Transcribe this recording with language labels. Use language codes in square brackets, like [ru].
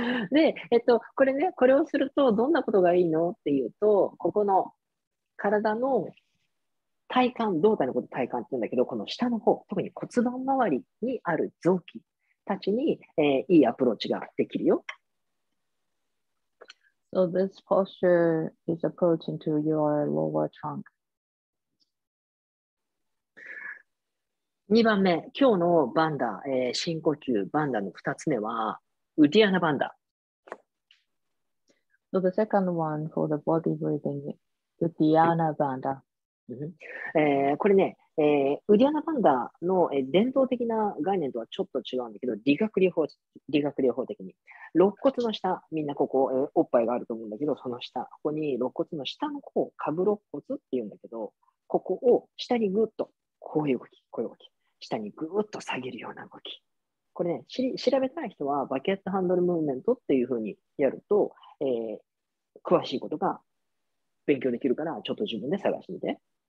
[ja] で、これね、これをするとどんなことがいいのっていうと、ここの体の体幹、胴体のこと体幹って言うんだけど、この下の方、特に骨盤周りにある臓器たちに、いいアプローチができるよ。 [en] So this posture is approaching to your lower trunk. [ja] 2番目、今日のバンダ、深呼吸バンダの2つ目は、ウディアナバンダ。 [en] So the second one for the body breathing, ウディアナバンダ。 [ja] これね、ウディアナバンダの、伝統的な概念とはちょっと違うんだけど、理学療法的に肋骨の下、みんなここ、おっぱいがあると思うんだけど、その下、ここに肋骨の下の方、下部肋骨っていうんだけど、ここを下にグッとこういう動き、こういう動き、下にグッと下げるような動き、これね、調べたい人はバケットハンドルムーブメントっていう風にやると、詳しいことが勉強できるから、ちょっと自分で探してみて。